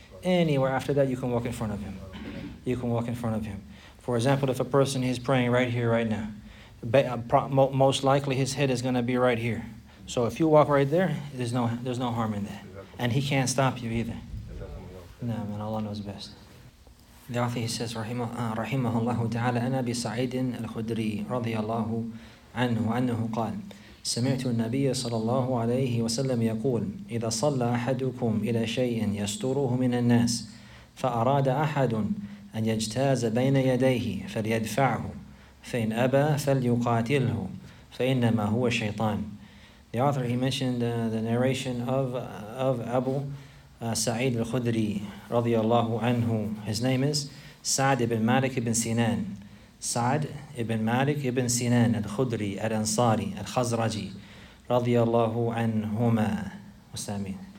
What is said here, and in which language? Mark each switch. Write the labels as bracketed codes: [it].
[en] Anywhere after that, you can walk in front of him. For example, if a person is praying right here, right now, Most likely his head is going to be right here. So if you walk right there, there's no harm in that. And he can't stop you either. No, man, Allah knows best. The author, he says, Rahimahullahu ta'ala, [ar] أنا بسعيد الخدري رضي الله عنه وعنه قال سمعت النبي صلى الله عليه وسلم يقول إذا صلى أحدكم إلى شيء يستره من الناس فأراد أحد أن يجتاز بين يديه فليدفعه فإن أبى فليقاتله فإنما هو شيطان. [en] The author, he mentioned the narration of Abu Sa'id al-Khudri رضي الله عنه. His name is Sa'd ibn Malik ibn Sinan. Sa'd ibn Malik ibn Sinan al-Khudri al-Ansari al-Khazraji رضي الله عنهما. What's that mean?